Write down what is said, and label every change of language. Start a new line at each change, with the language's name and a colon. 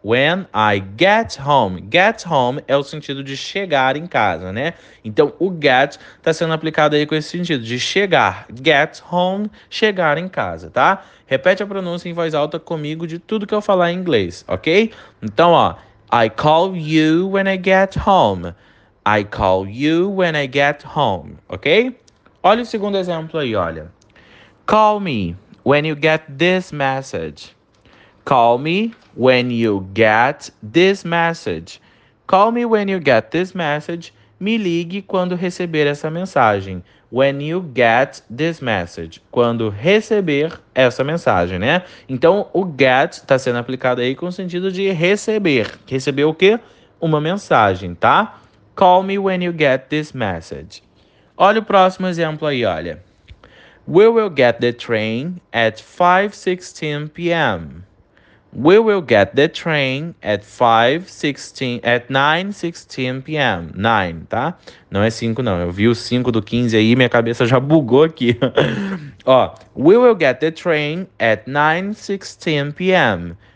Portuguese: When I get home. Get home é o sentido de chegar em casa, né? Então, o get está sendo aplicado aí com esse sentido de chegar. Get home, chegar em casa, tá? Repete a pronúncia em voz alta comigo de tudo que eu falar em inglês, ok?
English: Então, ó. I call you when I get home. I call you when I get home, ok? Olha o segundo exemplo aí, olha. Call me when you get this message. Call me when you get this message. Call me when you get this message. Me ligue quando receber essa mensagem. When you get this message. Quando receber essa mensagem, né?
Portuguese: Então, o get está sendo aplicado aí com o sentido de receber.
English: Receber o quê? Uma mensagem, tá? Call me when you get this message.
Portuguese: Olha o próximo exemplo aí, olha.
English: We will get the train at 5:16 p.m. We will get the train at 5:16, at 9:16 p.m.
Portuguese: 9, tá? Não é 5, não. Eu vi o 5 do 15 aí, minha cabeça já bugou aqui.
English: Ó, we will get the train at 9:16 p.m.